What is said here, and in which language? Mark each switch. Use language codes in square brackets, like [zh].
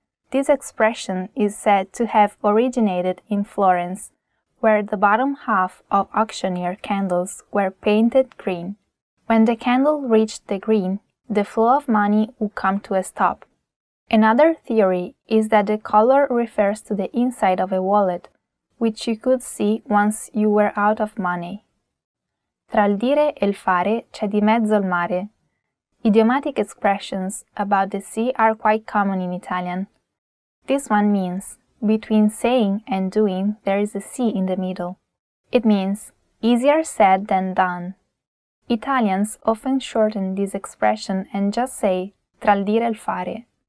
[en] This expression is said to have originated in Florence, where the bottom half of auctioneer candles were painted green. When the candle reached the green, the flow of money would come to a stop. Another theory is that the color refers to the inside of a wallet, which you could see once you were out of money. [it] Tra il dire e il fare c'è di mezzo il mare. [en] Idiomatic expressions about the sea are quite common in Italian. This one means between saying and doing, there is a sea in the middle. It means easier said than done. Italians often shorten this expression and just say [it] tra il dire e il fare.